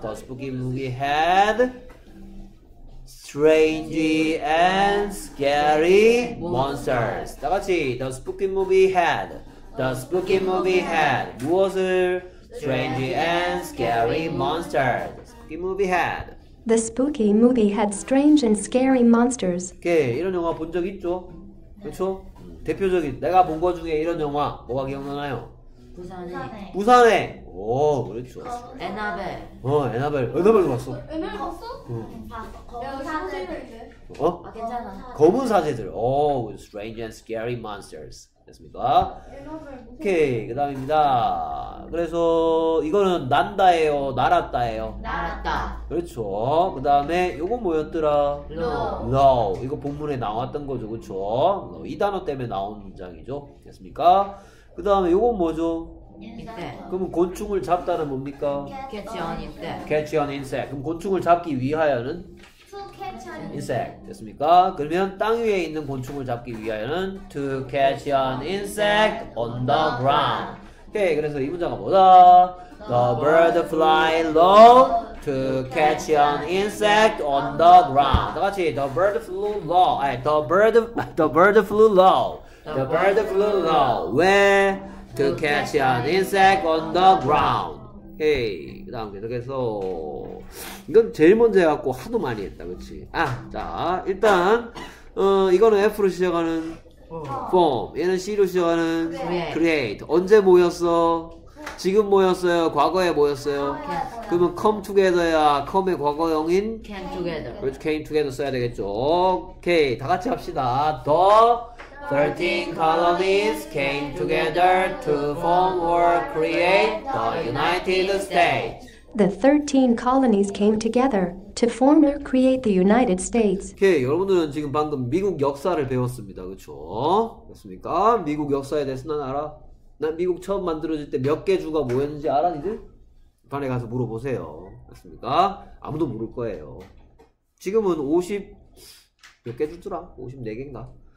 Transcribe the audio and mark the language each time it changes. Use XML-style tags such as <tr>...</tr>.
<en>The Spooky Movie had strange and scary monsters.</en> <ko>다 같이.</ko> <en>The Spooky Movie had. The spooky movie had</en> <ko>무엇을?</ko> <en>Strange and scary monsters. Spooky movie had. The spooky movie had strange and scary monsters.</en> <ko>오케이, 이런 영화 본 적 있죠? 그렇죠? 대표적인 내가 본 거 중에 이런 영화 뭐가 기억나나요? 부산에. 부산에. 오, 그렇죠. 애나벨. 애나벨. 애나벨 봤어. 애나벨 봤어? 검은 사제들. 어? 아, 괜찮아. 검은 사제들. 오,</ko> <en>strange and scary monsters.</en> <ko>됐습니까? 오케이 그 다음입니다. 그래서 이거는 난다예요, 날았다예요. 날았다. 그렇죠. 그 다음에 이거 뭐였더라?</ko> <en>Low.</en> <ko>이거 본문에 나왔던 거죠, 그렇죠?</ko> <en>No.</en> <ko>이 단어 때문에 나온 문장이죠. 됐습니까? 그 다음에 이거 뭐죠?</ko> <en>Insect.</en> <ko>그럼 곤충을 잡다는 뭡니까?</ko> <en>Catch an insect. Catch an insect.</en> <ko>그럼 곤충을 잡기 위하여는?</ko> <en>To catch</en> <ko>insect 됐습니까? 그러면 땅 위에 있는 곤충을 잡기 위하여는</ko> <en>to catch an insect on the ground.</en> <ko>오케이, 그래서 이 문장은 뭐다?</ko> <en>The bird fly low to catch an insect on the ground.</en> <ko>다 같이</ko> <en>the bird flew low.</en> <ko>아니,</ko> <en>the bird flew low. The bird flew low. Where? To catch an insect on the ground.</en> <ko>오케이, 그다음 계속해서 이건 제일 먼저 해갖고 하도 많이 했다, 그렇지? 아, 자, 일단 이거는 F로 시작하는 form. 얘는 C로 시작하는 create. 언제 모였어? 지금 모였어요? 과거에 모였어요? 그러면</ko> <en>come together</en> <ko>야. come의 과거형인</ko> <en>came together.</en> <ko>그렇죠,</ko> <en>came together</en> <ko>써야 되겠죠. 오케이, 다 같이 합시다.</ko> <en>The 13 colonies came together to form or create the United States. The 13 colonies came together to form or create the United States.</en> <ko>오케이, 여러분들은 지금 방금 미국 역사를 배웠습니다. 그렇죠? 그렇습니까? 미국 역사에 대해서 난 알아. 난 미국 처음 만들어질 때 몇 개 주가 뭐였는지 알아, 니들? 반에 가서 물어보세요. 그렇습니까? 아무도 모를 거예요. 지금은 몇 개 주더라? 54개인가?</ko>